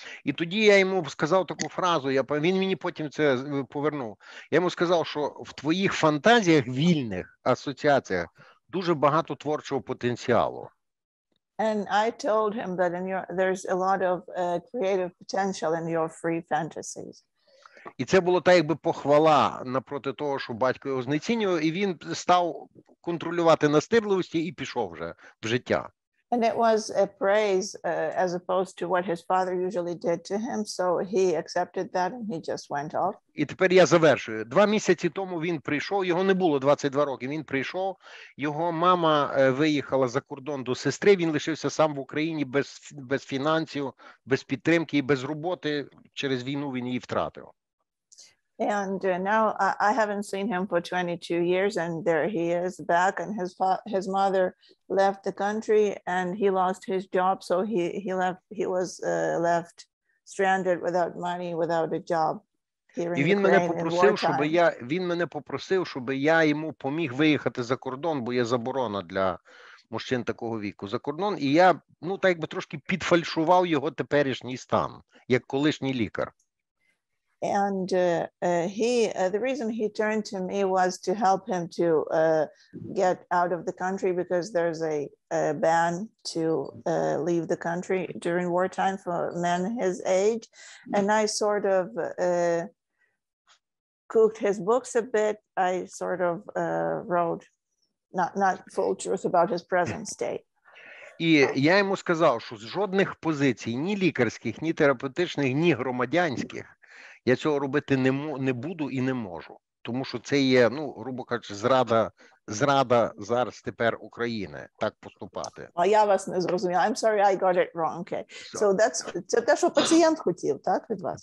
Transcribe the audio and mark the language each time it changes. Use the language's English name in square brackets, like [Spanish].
[Ukrainian] І тоді я йому сказав таку фразу, він мені потім це повернув. Я йому сказав, що в твоїх фантазіях, вільних асоціаціях, дуже багато творчого потенціалу. [English] And I told him that there's a lot of creative potential in your free fantasies. [Ukrainian] І це було так, якби похвала напроти того, що батько його знецінював, і він став контролювати настирливості і пішов вже в життя. [English] And it was a praise as opposed to what his father usually did to him, so he accepted that and he just went off. [Ukrainian] І тепер я завершую. Два місяці тому він прийшов, його не було 22 роки, він прийшов, його мама виїхала за кордон до сестри, він лишився сам в Україні без фінансів, без підтримки і без роботи, через війну він її втратив. [English] And now I haven't seen him for 22 years, and there he is back, and his mother left the country, and he lost his job, so he was left stranded without money, without a job here in Ukraine in wartime. [Ukrainian] Він мене попросив, щоб я йому поміг виїхати за кордон, бо є заборона для мужчин такого віку за кордон, і я, ну, так якби трошки підфальшував його теперішній стан, як колишній лікар. [English] And the reason he turned to me was to help him to get out of the country, because there's a ban to leave the country during wartime for men his age. And I sort of cooked his books a bit. I sort of wrote not full truth about his present state. [Ukrainian] І я йому сказав, що з жодних позицій, ні лікарських, ні терапевтичних, ні громадянських, я цього робити не буду і не можу, тому що це є, ну, грубо кажучи, зрада зараз тепер України так поступати. А я вас не зрозуміла. [English] I'm sorry, I got it wrong. Okay. So that's [Ukrainian] це те, що пацієнт хотів, так, від вас?